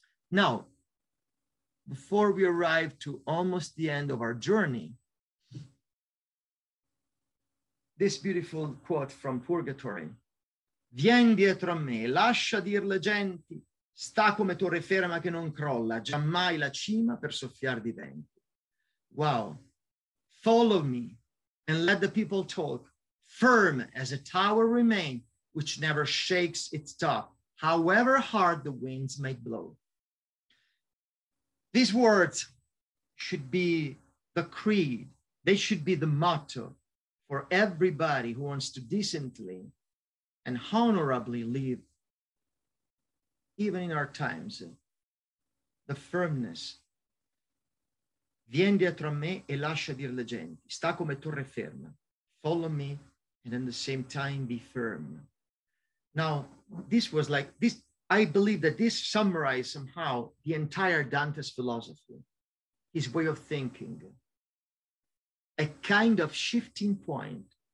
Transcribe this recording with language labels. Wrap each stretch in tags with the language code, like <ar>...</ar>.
<en>Now, before we arrive to almost the end of our journey, this beautiful quote from Purgatory.</en> <it>Vien dietro a me, lascia dir le genti, sta come torre ferma che non crolla, giammai la cima per soffiar di vento.</it> <en>Wow. Follow me and let the people talk, firm as a tower remain, which never shakes its top, however hard the winds may blow. These words should be the creed. They should be the motto for everybody who wants to decently and honorably live, even in our times, the firmness.</en> <it>Vien dietro a me e lascia dir le genti. Sta come torre ferma.</it> <en>Follow me and at the same time be firm. Now, this was like this. I believe that this summarized somehow the entire Dante's philosophy. his way of thinking, a kind of shifting point.</en>